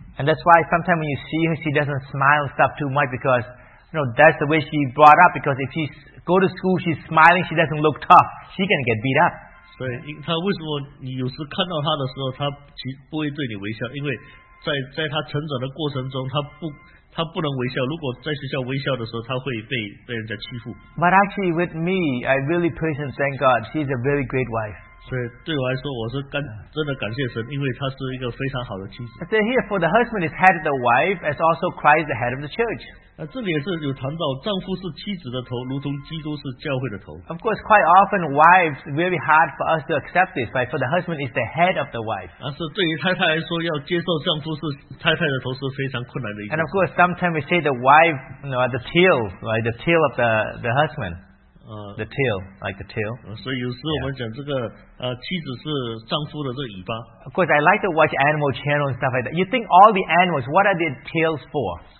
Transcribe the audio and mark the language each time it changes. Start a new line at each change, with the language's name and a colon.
English: And that's why sometimes when you see her, she doesn't smile stuff too much because, you know, that's the way she brought up. Because if she go to school, she's smiling, she doesn't look tough. She can get beat up.
Chinese: 所以她为什么你有时看到她的时候，她其实不会对你微笑，因为在她成长的过程中，她不能微笑，如果在学校微笑的时候，她会被人家欺负。
English: But actually, with me, I really praise and thank God. She's a very great wife.
Chinese: 所以对我来说，我是真的感谢神，因为她是一个非常好的妻子。
English: So here, for the husband is head of the wife, as also Christ the head of the church.
Chinese: 这里也是有谈到，丈夫是妻子的头，如同基督是教会的头。
English: Of course, quite often, wives very hard for us to accept this, but for the husband is the head of the wife.
Chinese: 但是对于太太来说，要接受丈夫是太太的头是非常困难的一件。
English: And of course, sometimes we say the wife, you know, the tail, right, the tail of the husband. The tail, like the tail.
Chinese: 所以有时我们讲这个妻子是丈夫的这个尾巴。
English: Of course, I like to watch animal channel and stuff like that. You think all the animals, what are their tails for?